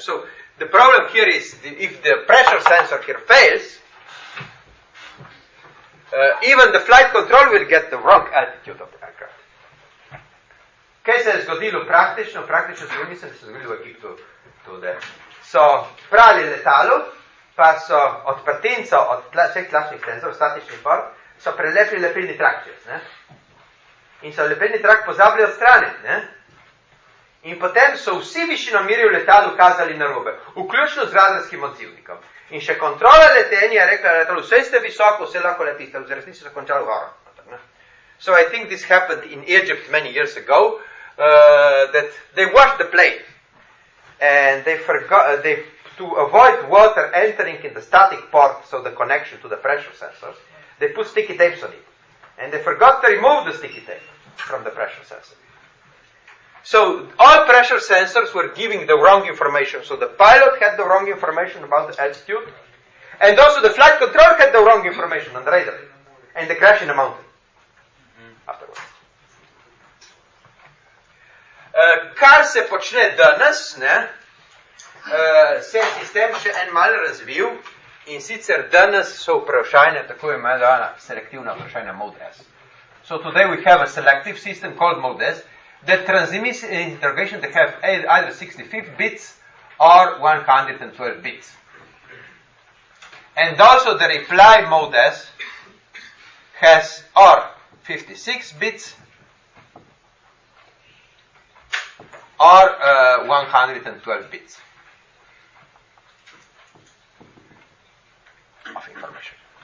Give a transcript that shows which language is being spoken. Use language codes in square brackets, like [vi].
[en] So, the problem here is, if the pressure sensor here fails, even the flight control will get the wrong altitude of the aircraft. [sl] Kaj se je zgodilo praktično? Praktično se mislim, da se je zgodilo v Egiptu tudi. So prali letalo, pa so od prtinco, od vseh tlačnih senzorov, statični port, so prelepili lepilni trak čez. Ne? In so lepilni trak pozabili odstraniti. Ne? In potem so vsi višinomiri v letalu kazali na robe, vključno z radarskim odzivnikom. In še kontrola letenja je rekla letalu, vse ste visoko, vse lahko letiste, v resnici so končali goro. [en] So I think this happened in Egypt many years ago, that they washed the plane. And they forgot, to avoid water entering in the static port, so the connection to the pressure sensors, they put sticky tapes on it. And they forgot to remove the sticky tape from the pressure sensor. So all pressure sensors were giving the wrong information. So the pilot had the wrong information about the altitude, and also the flight control had the wrong information on the radar, and the crash in the mountain afterwards. [sl] Kar se počne danes, ne, se je sistem še en malo razvil in sicer danes so vprašanja, tako je imena selektivna vprašanja MODES. [en] So today we have a selective system called MODES that transmits interrogation that have either 65 bits or 112 bits. And also the reply MODES has or 56 bits or 112 bits of information.